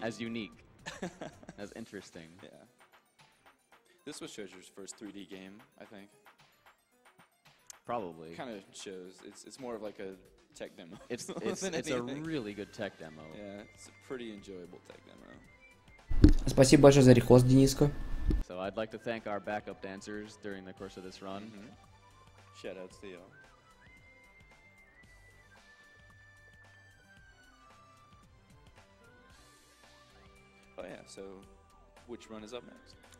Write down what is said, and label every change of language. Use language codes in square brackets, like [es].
[en] As unique. As interesting. Yeah. This was Treasure's first 3D game, I think. Probably. Kind of shows. It's more of like a tech demo. It's a really good tech demo. Yeah, it's a pretty enjoyable tech demo. [ru] Спасибо большое за рехост, Дениска. [en] So I'd like to thank our backup dancers during the course of this run. Shout out to you. Oh yeah, so which run is up next?